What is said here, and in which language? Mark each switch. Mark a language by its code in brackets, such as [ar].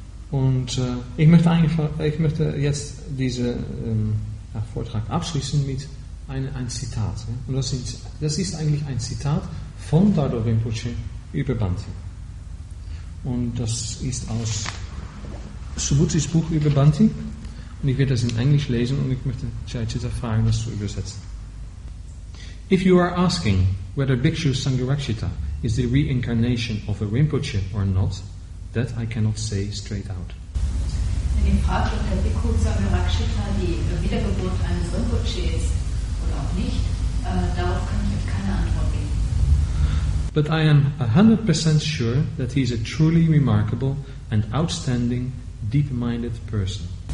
[de] Und ich möchte jetzt diesen Vortrag abschließen mit ein Zitat. Ja? Und das ist eigentlich ein Zitat von Dado Rinpoche über Bhante. Und das ist aus Subhutis Buch über Bhante. Und ich werde das in Englisch lesen und ich möchte Chaitita fragen, das zu übersetzen. [en] If you are asking whether Bhikshu Sangharakshita is the reincarnation of a Rinpoche or not, that I cannot say straight out. [de] Wenn ihr fragt, ob der Bhikkhu Sangharakshita die Wiedergeburt eines Rinpoche ist oder auch nicht, darauf kann ich euch keine Antwort geben. [en] But I am 100% sure that he is a truly remarkable and outstanding, deep-minded person.